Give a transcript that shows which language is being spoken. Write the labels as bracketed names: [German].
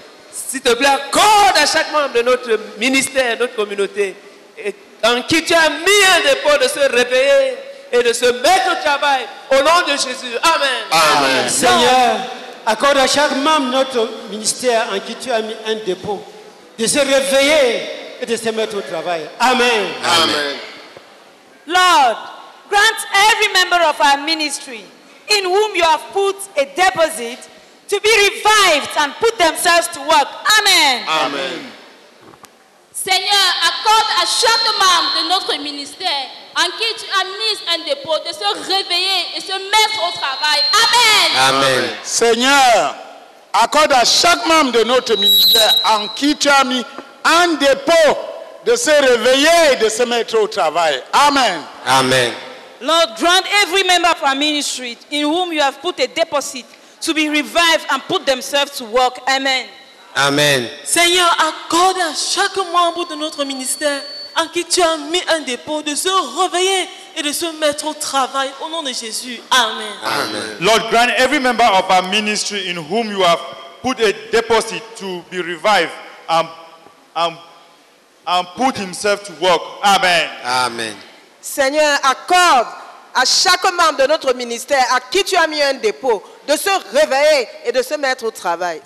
[French] S'il te plaît, accorde à chaque membre de notre ministère, notre communauté, en qui tu as mis un dépôt, de se réveiller et de se mettre au travail, au nom de Jésus. Amen. Amen. Seigneur, accorde à chaque membre notre ministère en qui tu as mis un dépôt, de se réveiller et de se mettre au travail. Amen. Amen. [English] Lord, grant every member of our ministry in whom you have put a deposit to be revived and put themselves to work. Amen. Amen. [French] Seigneur, accorde à chaque membre de notre ministère en qui tu as mis un dépôt de se réveiller et se mettre au travail. Amen. Amen. Seigneur, accorde à chaque membre de notre ministère en qui tu as mis un dépôt de se réveiller et de se mettre au travail. Amen. Amen. [English] Lord, grant every member of our ministry in whom you have put a deposit to be revived and put themselves to work. Amen. Amen. [French] Seigneur, accorde à chaque membre de notre ministère en qui tu as mis un dépôt de se réveiller et de se mettre au travail au nom de Jésus. Amen. Amen. [English] Lord, grant every member of our ministry in whom you have put a deposit to be revived and put himself to work. Amen. Amen. [French] Seigneur, accorde à chaque membre de notre ministère à qui tu as mis un dépôt de se réveiller et de se mettre au travail.